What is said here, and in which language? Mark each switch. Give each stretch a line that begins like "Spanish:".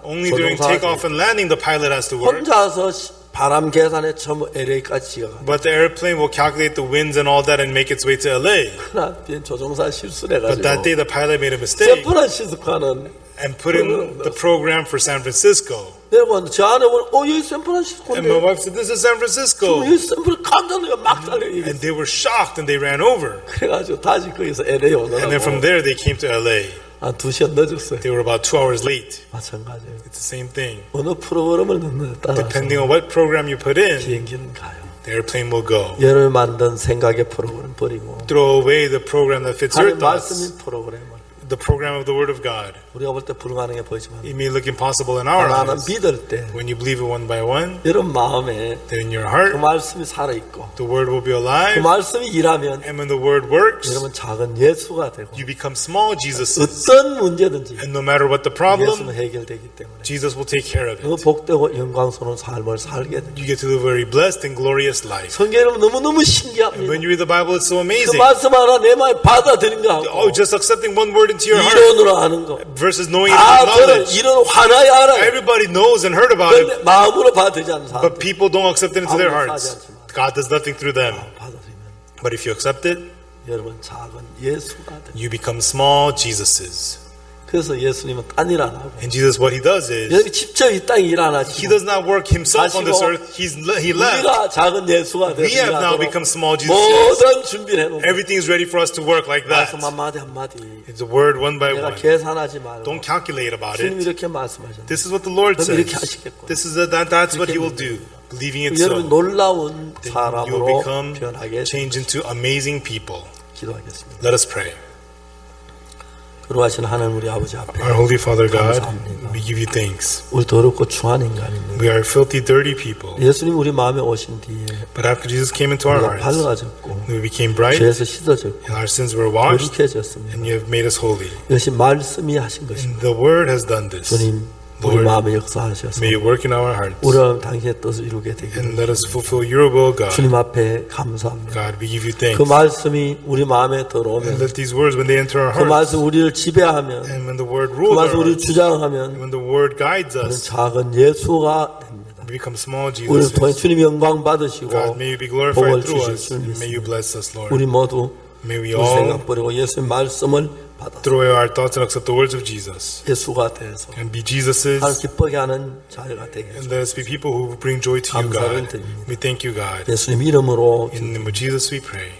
English: Only during takeoff and landing the pilot has to work.
Korean: 혼자서 바람 계산에 전부 LA까지 가.
English: But the airplane will calculate the winds and all that and make its way to LA.
Korean: 그날 조종사 실수를 해 가지고
English: But that day the pilot made a mistake.
Korean: 샌프란시스코는
English: And put in the program for San Francisco.
Korean: 여러분, 저한테 오늘 어 여기 샌프란시스코.
English: And my wife said, "This is San Francisco."
Korean: 여기 샌프란시스코 깜짝 놀라 막 달려.
English: And they were shocked, and they ran over.
Korean: 그래가지고 다시 거기서 LA 오는.
English: And then from there, they came to LA.
Korean: 아 두 시간 늦었어요.
English: They were about 2 hours late.
Korean: 마찬가지.
English: It's the same thing.
Korean: 어느 프로그램을 넣는다.
English: Depending on what program you put in,
Korean: 비행기는 가요.
English: The airplane will go.
Korean: 여러분 만든 생각의 프로그램 버리고.
English: Throw away the program that fits your thoughts.
Korean: 하나님 말씀이 프로그램.
English: The program of the Word of God.
Korean: 우리가 볼 때 불가능해 보이지만,
English: it may look impossible in our
Korean: 나는
English: eyes.
Korean: 나는 믿을 때,
English: when you believe it one by one,
Korean: 여러분 마음에,
English: then in your heart,
Korean: 그 말씀이 살아 있고,
English: the Word will be alive.
Korean: 그 말씀이 일하면,
English: and when the Word works,
Korean: 여러분 작은 예수가 되고,
English: you become small Jesus.
Korean: 어떤 문제든지,
English: and no matter what the problem,
Korean: 예수는 해결되기 때문에,
English: Jesus will take care of it.
Korean: 그 복되고 영광스러운 삶을 살게 돼.
English: You get to live a very blessed and glorious life.
Korean: 성경은 너무 너무 신기합니다.
English: And when you read the Bible, it's so amazing.
Korean: 그 말씀 하나 내 마음에 받아들인 거 하고,
English: oh, just accepting one word. Your versus knowing and knowledge. Everybody knows and heard about it.
Korean: 마음으로 받아들이지 않는 사람.
English: But people don't accept it into their hearts. God does nothing through them. But if you accept it,
Korean: 여러분 작은 예수가 돼.
English: You become small Jesuses.
Korean: 그래서 예수님은 딴 일 안 하고.
English: And Jesus, what he does is,
Korean: 여기 직접 이 땅에 일 안 하지.
English: He does not work himself on this earth. He left.
Korean: 우리가 작은 예수가 돼.
English: We have now become small Jesuses.
Korean: 모든 준비를 해놓고.
English: Everything is ready for us to work like that.
Korean: 말씀 한마디 한마디.
English: It's a word one by one.
Korean: 내가 계산하지 말고.
English: Don't calculate about it.
Korean: 주님 이렇게 말씀하셨네.
English: This is what the Lord says.
Korean: 이렇게 하시겠고.
English: This is a, that's what he will do. Believing it so.
Korean: 여러분 놀라운 사람으로 변하게.
English: Change into amazing people.
Korean: 기도하겠습니다.
English: Let us pray.
Korean: 그러하신 하나님 우리 아버지 앞에
English: Our Holy Father God, we give you thanks.
Korean: 우리 더럽고 추한 인간입니다.
English: We are filthy, dirty people.
Korean: 예수님 우리 마음에 오신 뒤에
English: But after Jesus came into our hearts,
Korean: 밝아졌고
English: we became bright.
Korean: 죄에서 씻어졌고
English: And our sins were washed.
Korean: 거룩해졌습니다.
English: And you have made us holy.
Korean: 이것이 말씀이 하신 것입니다.
English: And the word has done this.
Korean: 주님 우리 마음에 역사하셔서
English: May you work in our hearts.
Korean: 우리 당신의 뜻을 이루게 되게
English: And let us fulfill your will, God.
Korean: 주님 앞에 감사합니다.
English: God, we give you thanks.
Korean: 그 말씀이 우리 마음에 들어오면
English: And let these words, when they enter our hearts,
Korean: 그 말씀 우리를 지배하면
English: And when the word rules
Korean: 그 말씀 우리를 주장하면
English: When the word guides us,
Korean: 우리는 작은 예수가 됩니다.
English: We become small Jesus.
Korean: 우리를 통해 주님 영광 받으시고
English: God, may you be glorified through us. And may you bless us, Lord.
Korean: 우리 모두
English: May we all
Korean: 생각 버리고 예수님 말씀을
English: Throw away our thoughts and accept the words of Jesus. And be Jesus's. And let us be people who bring joy to you, God. We thank you, God. In the name of Jesus we pray.